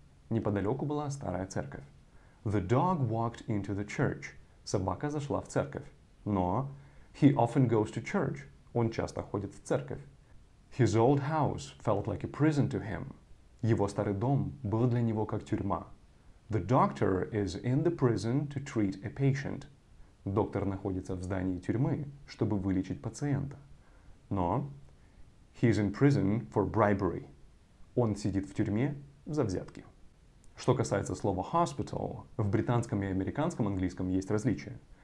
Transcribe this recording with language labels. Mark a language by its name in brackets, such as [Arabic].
[Russian] Неподалеку была старая церковь. [English] The dog walked into the church. [Russian] Собака зашла в церковь. Но [English] he often goes to church. [Russian] Он часто ходит в церковь. [English] His old house felt like a prison to him. [Russian] Его старый дом был для него как тюрьма. [English] The doctor is in the prison to treat a patient. [Russian] Доктор находится в здании тюрьмы, чтобы вылечить пациента. Но [English] he is in prison for bribery. [Russian] Он сидит в тюрьме за взятки. Что касается слова hospital, в британском и американском английском есть различия.